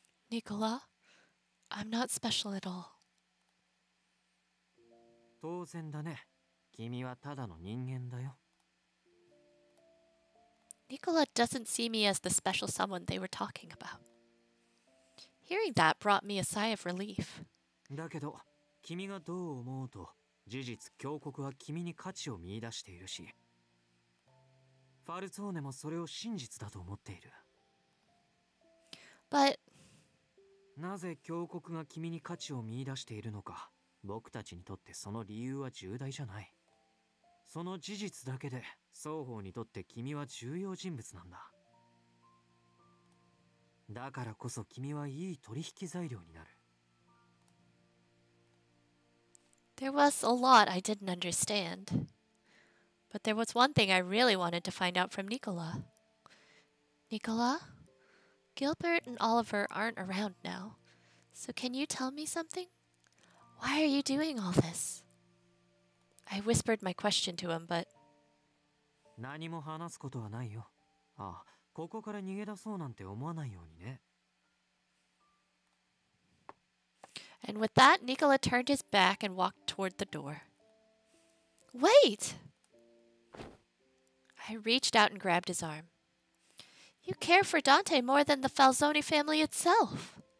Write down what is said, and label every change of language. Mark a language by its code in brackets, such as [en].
[en] Nicola, I'm not special at all. [ja] 当然だね。君はただの人間だよ。 [en] Nicola doesn't see me as the special someone they were talking about. Hearing that brought me a sigh of relief. [ja] だけど、君がどう思うと、事実、峡谷は君に価値を見出しているし、ファルツォーネもそれを真実だと思っている。 [en] But... [ja] なぜ峡谷が君に価値を見出しているのか、僕たちにとってその理由は重大じゃない。その事実だけで、双方にとって君は重要人物なんだ。だからこそ君はいい取引材料になる。 [en] There was a lot I didn't understand. But there was one thing I really wanted to find out from Nicola. Nicola? Gilbert and Oliver aren't around now. So can you tell me something? Why are you doing all this? I whispered my question to him, but... [ja] 何も話すことはないよ。ああ。ここから逃げ出そうなんて思わないようにね。 [en] And with that, Nicola turned his back and walked toward the door. Wait! I reached out and grabbed his arm. You care for Dante more than the Falzoni family itself.